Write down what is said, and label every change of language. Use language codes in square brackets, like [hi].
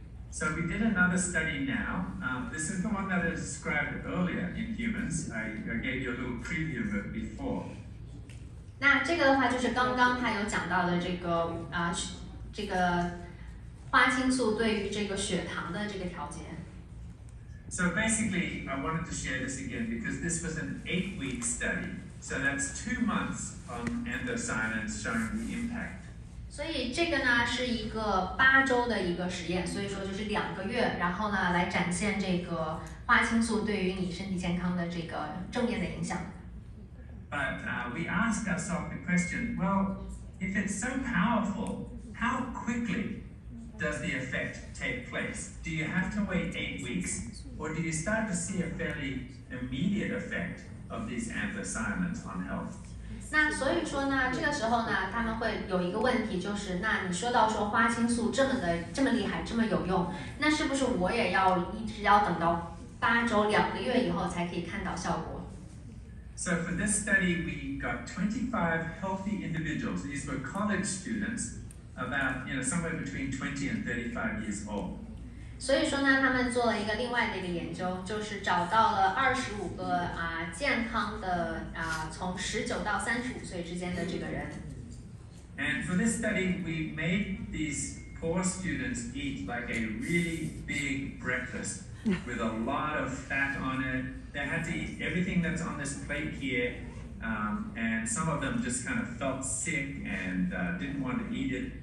[en] So we did another study now. This is the one that I described earlier in humans. I gave you a little preview of it before. [zh] 那这个的话就是刚刚他有讲到的这个这个花青素对于这个血糖的这个调节。 [en] So basically, I wanted to share this again because this was an 8-week study. So that's 2 months on anthocyanins showing the impact. [zh] 所以这个呢是一个8周的一个实验，所以说就是2个月，然后呢来展现这个花青素对于你身体健康的这个正面的影响。 [en] But we ask ourselves the question, well, if it's so powerful, how quickly does the effect take place? Do you have to wait 8 weeks, or do you start to see a fairly immediate effect of these anthocyanins on health? [zh] 那所以说呢，这个时候呢，他们会有一个问题，就是那你说到说花青素这么厉害，这么有用，那是不是我也要一直要等到8周2个月以后才可以看到效果 [en] ？So for this study, we got 25 healthy individuals. These were college students, about somewhere between 20 and 35 years old. [zh] 所以说呢，他们做了一个另外的一个研究，就是找到了25个健康的从19到35岁之间的这个人。 [en] And for this study, we made these poor students eat like a really big breakfast with a lot of fat on it. They had to eat everything that's on this plate here, and some of them just kind of felt sick and didn't want to eat it.